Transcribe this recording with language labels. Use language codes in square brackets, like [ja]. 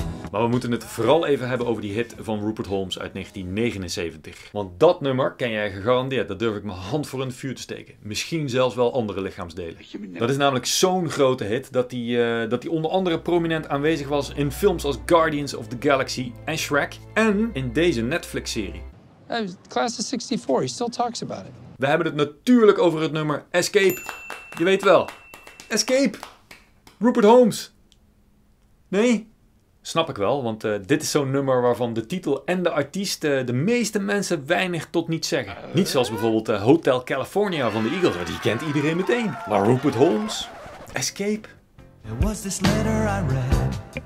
[nl] Maar we moeten het vooral even hebben over die hit van Rupert Holmes uit 1979. Want dat nummer ken jij gegarandeerd, dat durf ik mijn hand voor in het vuur te steken. Misschien zelfs wel andere lichaamsdelen. Dat is namelijk zo'n grote hit dat die onder andere prominent aanwezig was in films als Guardians of the Galaxy en Shrek. En in deze Netflix-serie. [en] Class of 64, he still talks about it. [nl] We hebben het natuurlijk over het nummer Escape. Je weet wel. Escape! Rupert Holmes! Nee? Snap ik wel, want dit is zo'n nummer waarvan de titel en de artiest de meeste mensen weinig tot niet zeggen. Niet zoals bijvoorbeeld Hotel California van de Eagles, die kent iedereen meteen. Maar Rupert Holmes? Escape? [en] There was this letter I read.